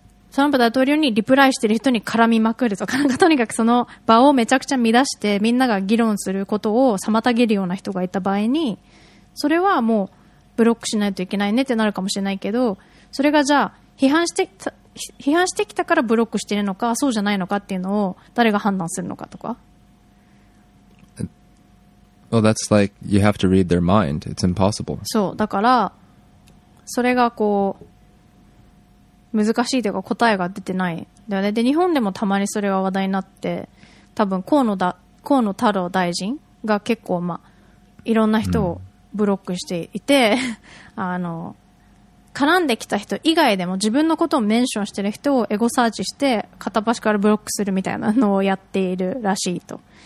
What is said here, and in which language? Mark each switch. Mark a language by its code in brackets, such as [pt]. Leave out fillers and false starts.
[ja] トランプ大統領にリプライしてる人に絡みまくるとか、なんかとにかくその場をめちゃくちゃ乱してみんなが議論することを妨げるような人がいた場合に、それはもうブロックしないといけないねってなるかもしれないけど、それがじゃあ批判してきたからブロックしてるのか、そうじゃないのかっていうのを誰が判断するのかとか。 [en] Well, that's like you have to read their mind. It's impossible. [ja] そう、だからそれがこう難しいというか答えが出てないだよね。で、日本でもたまにそれが話題になって、多分河野太郎大臣が結構まあいろんな人をブロックしていて、あの絡んできた人以外でも自分のことをメンションしてる人をエゴサーチして片っ端からブロックするみたいなのをやっているらしいと。